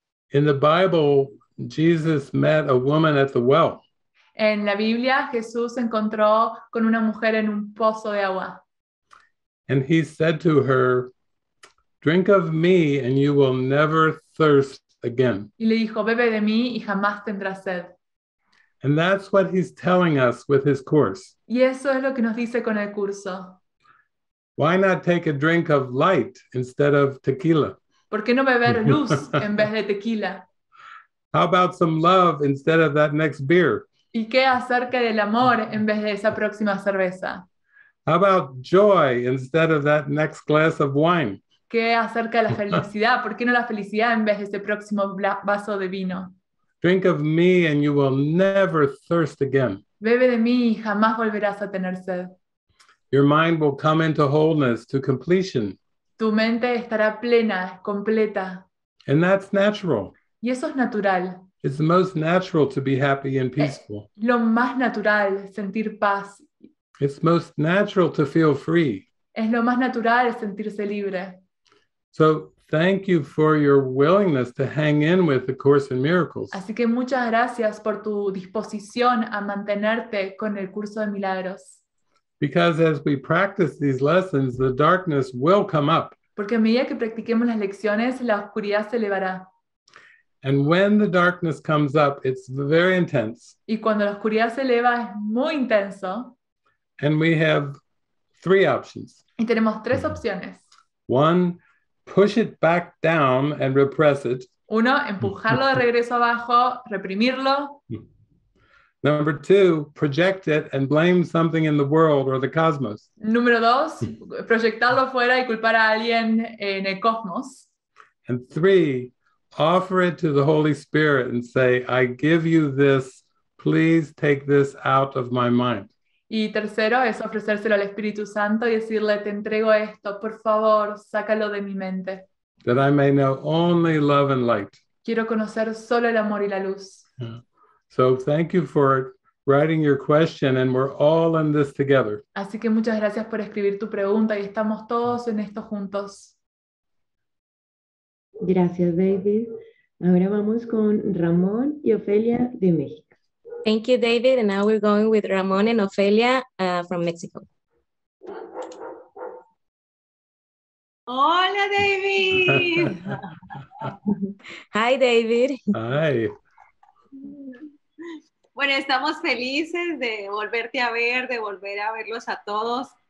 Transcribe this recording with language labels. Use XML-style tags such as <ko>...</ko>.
<en>In the Bible, Jesus met a woman at the well.</en> <es>En la Biblia, Jesús se encontró con una mujer en un pozo de agua.</es> <en>And he said to her, "Drink of me and you will never thirst again."</en> <es>Y le dijo, "Bebe de mí y jamás tendrás sed."</es> <en>And that's what he's telling us with his course.</en> <es>Y eso es lo que nos dice con el curso.</es> <en>Why not take a drink of light instead of tequila?</en> <es>¿Por qué no beber luz en vez de tequila?</es> <en>How about some love instead of that next beer?</en> <es>¿Y qué acerca del amor en vez de esa próxima cerveza?</es> <en>How about joy instead of that next glass of wine?</en> <es>¿Qué acerca de la felicidad? ¿Por qué no la felicidad en vez de ese próximo vaso de vino?</es> <en>Drink of me and you will never thirst again.</en> <es>Bebe de mí y jamás volverás a tener sed.</es> <en>Your mind will come into wholeness, to completion.</en> <es>Tu mente estará plena, completa.</es> <en>And that's natural.</en> <es>Y eso es natural.</es> <en>It's the most natural to be happy and peaceful.</en> <es>Lo más natural, sentir paz.</es> <en>It's most natural to feel free.</en> <es>Es lo más natural sentirse libre.</es> <en>So thank you for your willingness to hang in with the Course in Miracles.</en> <es>Así que muchas gracias por tu disposición a mantenerte con el curso de milagros.</es> <en>Because as we practice these lessons, the darkness will come up.</en> <es>Porque a medida que practiquemos las lecciones, la oscuridad se elevará.</es> <en>And when the darkness comes up, it's very intense.</en> <es>Y cuando la oscuridad se eleva, es muy intenso.</es> <en>And we have three options.</en> <es>Y tenemos tres opciones.</es> <en>One, push it back down and repress it.</en> <es>Uno, empujarlo de regreso abajo, reprimirlo.</es> <en>Number two, project it and blame something in the world or the cosmos.</en> <es>Número dos, proyectarlo fuera y culpar a alguien en el cosmos.</es> <en>And three, offer it to the Holy Spirit and say, "I give you this, please take this out of my mind."</en> <es>Y tercero es ofrecérselo al Espíritu Santo y decirle, "Te entrego esto, por favor, sácalo de mi mente."</es> <en>that I may know only love and light.</en> <es>Quiero conocer solo el amor y la luz.</es> <en>Yeah. So thank you for writing your question, and we're all in this together.</en> <es>Así que muchas gracias por escribir tu pregunta y estamos todos en esto juntos. Gracias, David. Ahora vamos con Ramón y Ofelia de México.</es> <en>Thank you, David. And now we're going with Ramón and Ofelia from Mexico.</en> <es>Hola, David.</es> <en>Hi, David. Hi.</en> <es>Bueno, estamos felices de volverte a ver, de volver a verlos a todos.</es>